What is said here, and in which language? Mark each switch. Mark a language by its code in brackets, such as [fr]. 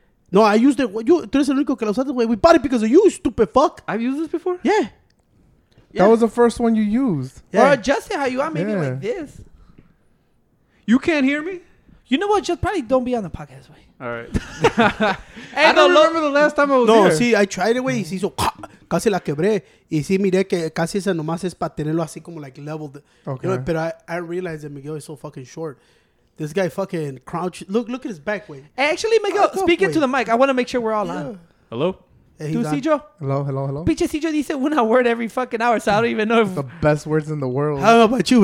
[en] no, I used it. [es] Tú eres el único que lo usaste, [en] güey. We bought it because of you, stupid fuck. I've used this before? Yeah. That was the first one you used. Yeah. Or adjust it how you are, maybe like this. You can't hear me? You know what? Just probably don't be on the podcast, güey. All right. I don't remember the last time I was here. [es] No, sí, [en] I tried it, [es] güey. Y se hizo... Casi la quebré. Y sí, miré que casi esa nomás es para tenerlo así como [en] like leveled. Okay. You know, but I realized that Miguel is so fucking short. This guy fucking crouched. Look at his back, way. Actually, Miguel, speaking to the mic, I want to make sure we're all on. Hello? [es] Tu Cidro? [en] Hello. Piche Cidro [es] dice una [en] word every fucking hour, so I don't even know if... The best words in the world. I don't know about you.